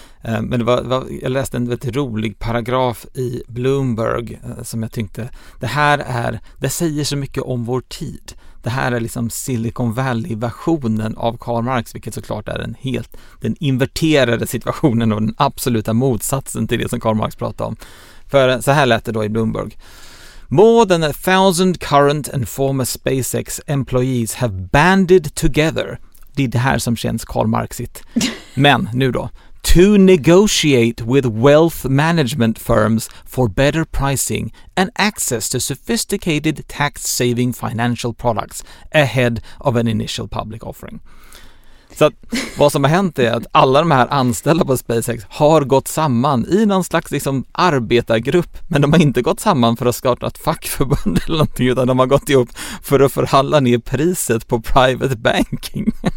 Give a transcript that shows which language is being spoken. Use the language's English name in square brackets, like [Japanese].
[Swedish] Men jag läste en väldigt rolig paragraf i Bloomberg som jag tyckte, det säger så mycket om vår tid. Det här är liksom Silicon Valley-versionen av Karl Marx, vilket såklart är den inverterade situationen och den absoluta motsatsen till det som Karl Marx pratade om. För så här lät det då i Bloomberg. [English] More than 1,000 current and former SpaceX employees have banded together. [Swedish] Det är det här som känns Karl Marxigt. Men nu då. [English] To negotiate with wealth management firms for better pricing and access to sophisticated tax-saving financial products ahead of an initial public offering. [Swedish] Så att, vad som har hänt är att alla de här anställda på SpaceX har gått samman i någon slags liksom arbetargrupp, men de har inte gått samman för att starta ett fackförbund eller någonting, utan de har gått ihop för att förhandla ner priset på private banking.